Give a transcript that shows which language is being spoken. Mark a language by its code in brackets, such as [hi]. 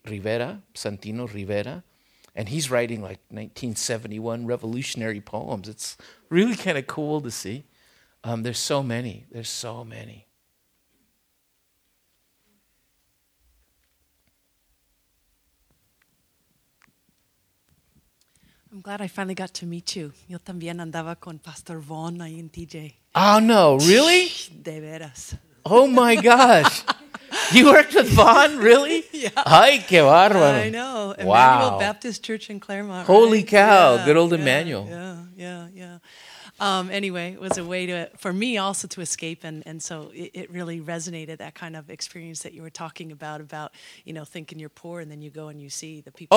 [en] Rivera, Santino Rivera. And he's writing like 1971 revolutionary poems. It's really kind of cool to see. There's so many. There's so many. I'm glad I finally got to meet you. [es] Yo también andaba con Pastor Vaughn ahí en TJ. [en] Oh, no. Really? [es] De veras. [en] Oh, my gosh. You worked with Vaughn, really? Yeah. [es] Ay, qué bárbaro. [en] I know. Emmanuel Baptist Church in Claremont. Holy right? cow, yeah, good old Emmanuel. Yeah. Anyway, it was a way for me also to escape, and so it really resonated, that kind of experience that you were talking about, you know, thinking you're poor, and then you go and you see the people.